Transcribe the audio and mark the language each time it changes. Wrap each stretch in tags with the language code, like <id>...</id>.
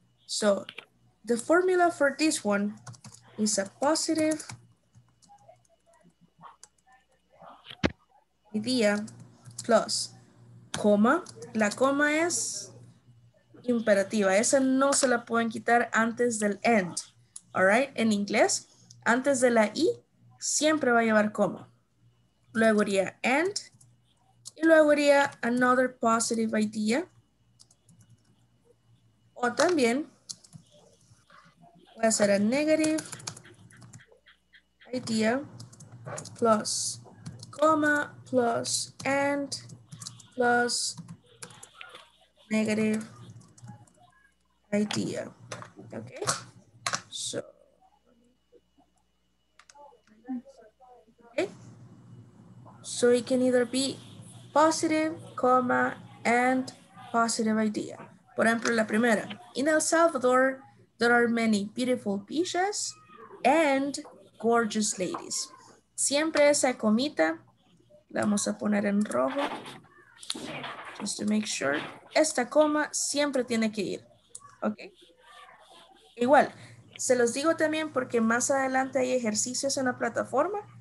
<en>So, the formula for this one is a positive idea plus coma.</en> <es>La coma es imperativa. Esa no se la pueden quitar antes del end.</es> <en>All right,</en> <es>en inglés, antes de la I, siempre va a llevar coma. Luego iría and, y luego iría</es> <en>another positive idea.</en> <es>O también, puede ser</es> <en>a negative idea plus comma plus and plus negative idea. Okay? So. So it can either be positive, comma, and positive idea.</en> <es>Por ejemplo, la primera.</es> <en>In El Salvador, there are many beautiful beaches and gorgeous ladies.</en> <es>Siempre esa comita, la vamos a poner en rojo.</es> <en>Just to make sure.</en> <es>Esta coma siempre tiene que ir. Okay? Igual, se los digo también porque más adelante hay ejercicios en la plataforma.</es>